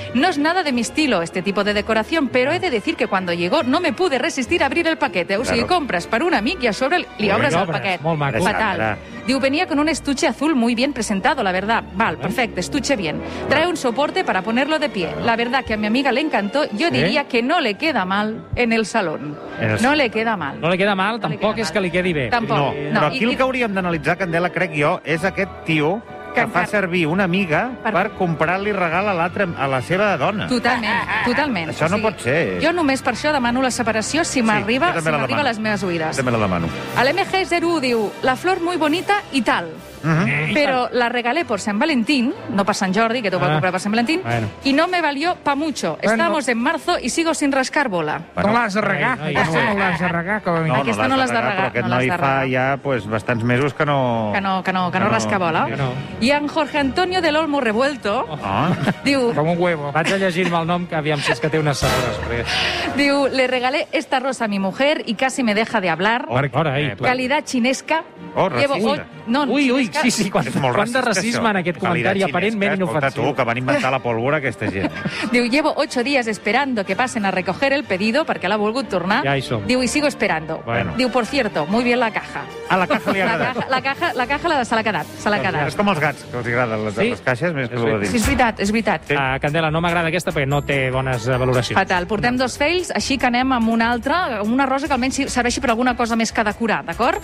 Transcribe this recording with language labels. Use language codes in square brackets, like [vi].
[es] No es nada de mi estilo este tipo de decoración, pero he de decir que cuando llegó no me pude resistir a abrir el paquete. [ca] O sigui, compres per un amic i a sobre li obres el paquet. Molt maco. Fatal. [es] Diu, venia con un estuche azul muy bien presentado, la verdad. [ca] Val, perfecte, [es] estuche bien. Trae un soporte para ponerlo de pie. La verdad que a mi amiga le encantó. Yo diría que no le queda mal en el salón. No le queda mal. No le queda mal, [ca] tampoc és que li quedi bé. Tampoc. No. Però aquí el que hauríem d'analitzar, Candela, crec jo, és aquest tio que fa servir una amiga per comprar-li regal a l'altre, a la seva dona. Totalment. Això no pot ser. Jo només per això demano la separació si m'arriba a les meves oïdes. També la demano. [es] L'MG01 diu, la flor muy bonita y tal. [ca] Però [es] la regalé por Sant Valentín, [ca] no per Sant Jordi, que t'ho va comprar per Sant Valentín, i [es] no me valió pa mucho. Estamos en marzo y sigo sin rascar bola. [ca] No l'has de regar. Aquesta no l'has de regar. Aquesta no l'has de regar. Però aquest noi fa ja bastants mesos que no... Que no rasca bola. I en Jorge Antonio del Olmo Revuelto diu... Com un huevo. Vaig a llegir-me el nom, que aviam si és que té una sabor després. [es] Diu, le regalé esta rosa a mi mujer y casi me deja de hablar. Calidad chinesca. [ca] Quant de racisme en aquest comentari, aparentment inofensiu. Escolta tu, que van inventar la pólvora aquesta gent. [es] Diu, llevo 8 días esperando que pasen a recoger el pedido, [ca] perquè l'ha volgut tornar. Ja hi som. [es] Diu, y sigo esperando. [ca] Bueno. [es] Diu, por cierto, muy bien la caja. [ca] A la caja li ha agradat. La caja se l'ha quedat. És com els gats, que els agraden les caixes. Més que sí, és veritat, és veritat. Sí. Candela, no m'agrada aquesta perquè no té bones valoracions. Fatal, portem 2 fails, així que anem amb una altra, una rosa que almenys serveixi per alguna cosa més que decorar, d'acord?